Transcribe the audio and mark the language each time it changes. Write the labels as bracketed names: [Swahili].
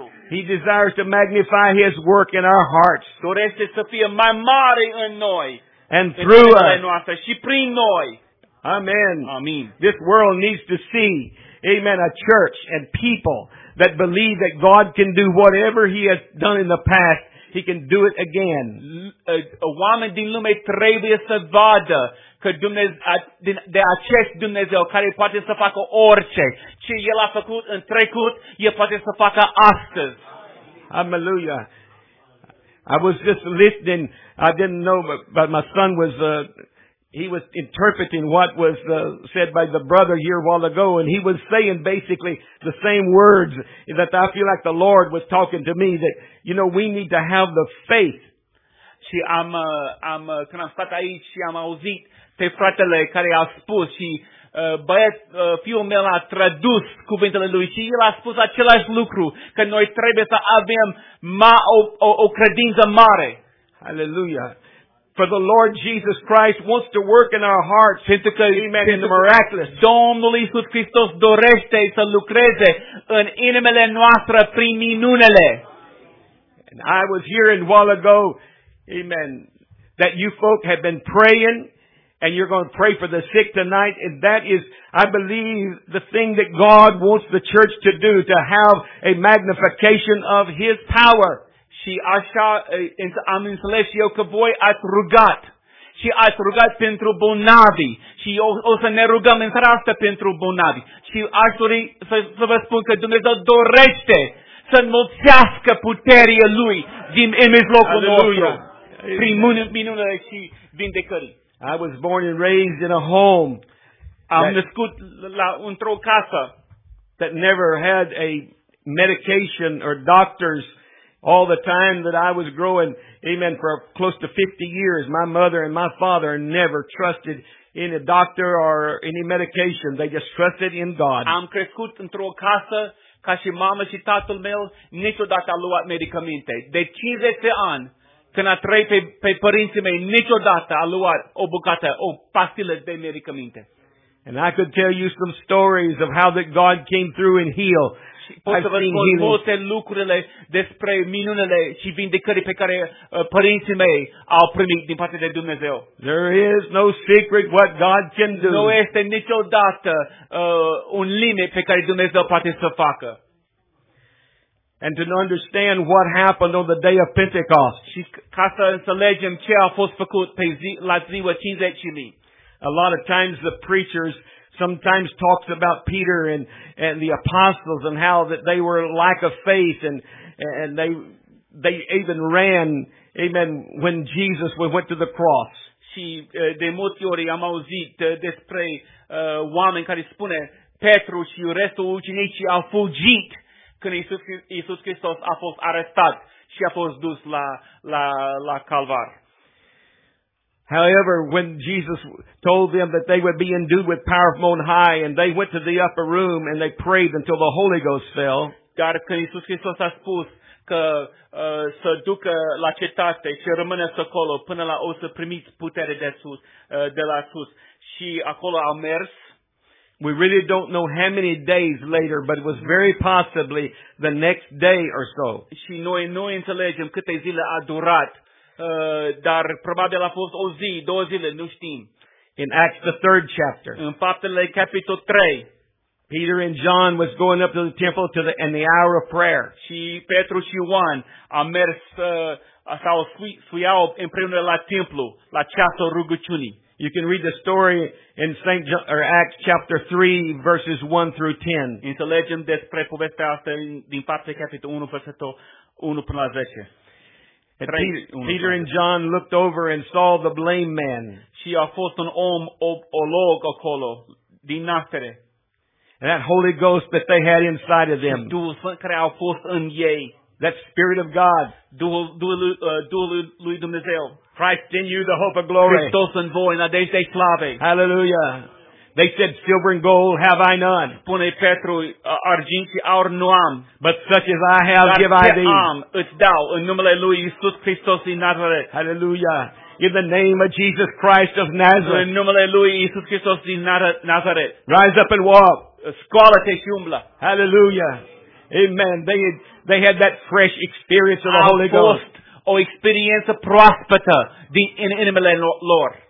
[English] He desires to magnify his work in our hearts. [Romanian] Dorește să fie mai mare în noi. [English] And through us. [Romanian] Și prin noi. Amen. Amen. [English] This world needs to see, amen, a church and people that believe that God can do whatever he has done in the past, he can do it again. [Romanian] Oameni din lume trebuie să vadă că Dumnezeu, de acest Dumnezeu care poate să facă orice, ce El a făcut în trecut, El poate să facă astăzi. [English] Hallelujah. I was just listening. I didn't know, but my son was, he was interpreting what was said by the brother here a while ago, and he was saying basically the same words that I feel like the Lord was talking to me, that, you know, we need to have the faith. [Romanian] Și când am stat aici și am auzit pe fratele care a spus și fiul meu a tradus cuvintele lui și el a spus același lucru, că noi trebuie să avem o credință mare. Hallelujah. [English] For the Lord Jesus Christ wants to work in our hearts. [Romanian] Pentru că, [English] amen, in the miraculous. [Romanian] Domnul Iisus Hristos dorește să lucreze în inimile noastre prin minunele. [English] And I was hearing a while ago, amen, that you folk have been praying. And you're going to pray for the sick tonight. And that is, I believe, the thing that God wants the church to do, to have a magnification of His power. [Romanian] Și așa am înțeles eu că voi ați rugat. Și ați rugat pentru bolnavi. Și o să ne rugăm în seara asta pentru bolnavi. Și aș dori să vă spun că Dumnezeu dorește să înmulțească puterea Lui din mijlocul nostru. Prin minunile și vindecări. [English] I was born and raised in a home. [Romanian] Am născut într-o casă [English] that never had a medication or doctors all the time that I was growing. Amen. For close to 50 years, my mother and my father never trusted in a doctor or any medication. They just trusted in God. [Romanian] Am crescut într-o casă ca și mama și tatăl meu niciodată a luat medicamente. De 50 de ani. Când a trăit pe părinții mei, niciodată a luat o bucată, o pastilă de medicamente. [English] And I could tell you some stories of how that God came through and healed. [Romanian] Pot să vă spun multe lucrurile despre minunele și vindecări pe care părinții mei au primit din partea de Dumnezeu. [English] There is no secret what God can do. [Romanian] Nu este niciodată un limit pe care Dumnezeu poate să facă. [English] And to understand what happened on the day of Pentecost. [Romanian] Și ca să înțelegem ce a fost făcut la ziua 50.000. [English] A lot of times the preachers sometimes talks about Peter and the apostles and how that they were lack of faith and they even ran, amen, when Jesus went to the cross. [Romanian] Și de multe ori am auzit despre oameni care spune Petru și restul ucenicii au fugit. Când Iisus Hristos a fost arestat și a fost dus la calvar. [English] However, when Jesus told them that they would be endued with power from on high, and they went to the upper room and they prayed until the Holy Ghost fell. [Romanian] Dar când Iisus Hristos a spus că să ducă la cetate și rămâneți acolo până la o să primiți putere de sus, de la sus, și acolo au mers. [English] We really don't know how many days later, but it was very possibly the next day or so. [Romanian] Și noi nu înțelegem câte zile a durat dar probabil a fost o zi, două zile, nu știm. [English] In Acts the third chapter. [Romanian] În Faptele capitol 3. [English] Peter and John was going up to the temple to the in the hour of prayer. [Romanian] Și Petru și Ioan a mers sau suiau împreună la templu, la ceasul rugăciunii. [English] You can read the story in St. John, or Acts chapter 3, verses 1 through 10. [Romanian] Înțelegem despre povestea asta din Faptele capitolul 1, versetul 1 până la 10. [English] Peter and John looked over and saw the lame man. [Romanian] Și a fost un om olog acolo, din naștere. [English] And that Holy Ghost that they had inside of them. [Romanian] Și Duhul Sfânt care au fost în ei. [English] That Spirit of God. [Romanian] Duhul lui Dumnezeu. [English] Christ in you, the hope of glory. [Romanian] Christos în voi, nădejde slave. Hallelujah. [English] They said, silver and gold have I none. [Romanian] Spune Petru, argint și aur nu am. [English] But such as I have, give I thee. [Romanian] Dar ce am, îți dau, în numele lui Iisus Hristos din Nazaret. Hallelujah. [English] In the name of Jesus Christ of Nazareth. [Romanian] În numele lui Iisus Hristos din Nazaret. [English] Rise up and walk. [Romanian] Scoală-te și umblă. Hallelujah. Amen. [English] They had that fresh experience of the Holy Ghost. [Romanian] O experiență proaspătă din inimile lor.